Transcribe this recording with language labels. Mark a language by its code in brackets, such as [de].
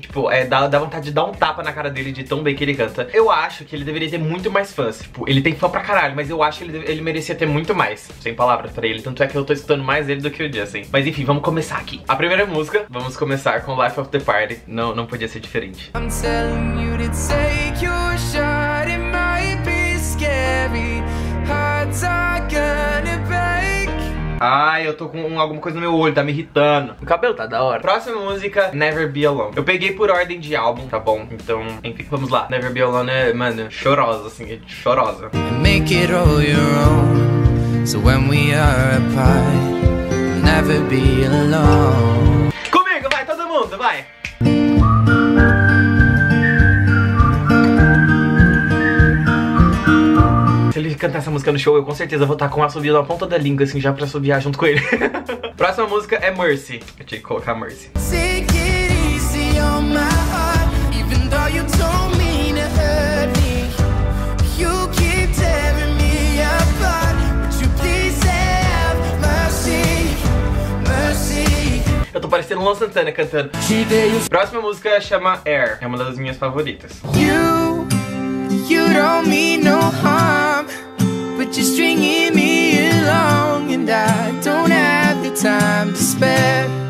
[pt] Tipo, dá vontade de dar um tapa na cara dele de tão bem que ele canta. Eu acho que ele deveria ter muito mais fãs. Tipo, ele tem fã pra caralho, mas eu acho que ele merecia ter muito mais. Sem palavras pra ele. Tanto é que eu tô escutando mais ele do que o Justin. Mas enfim, vamos começar aqui. A primeira música, vamos começar com Life of the Party. Não, não podia ser diferente. [en] I'm telling you to take your shot. It might be scary. Hearts are gonna break. [pt] Ai, eu tô com alguma coisa no meu olho, tá me irritando. O cabelo tá da hora. Próxima música, Never Be Alone. Eu peguei por ordem de álbum, tá bom? Então, enfim, vamos lá. Never Be Alone é, mano, chorosa, assim, é chorosa. [en] Make it all your own. So when we are apart, never be alone. [pt] Comigo, vai, todo mundo, vai. Se ele cantar essa música no show, eu com certeza vou estar com a subida na ponta da língua, assim, já pra subir junto com ele. Próxima música é Mercy. Eu tinha que colocar Mercy. [en] Take it easy on my heart, even though you told me to hurt me. You keep tearing me apart, but you please have mercy, mercy. [pt] Eu tô parecendo o Luan Santana cantando. Próxima música chama Air. É uma das minhas favoritas. [en] You don't mean no harm, but you're stringing me along, and I don't have the time to spare.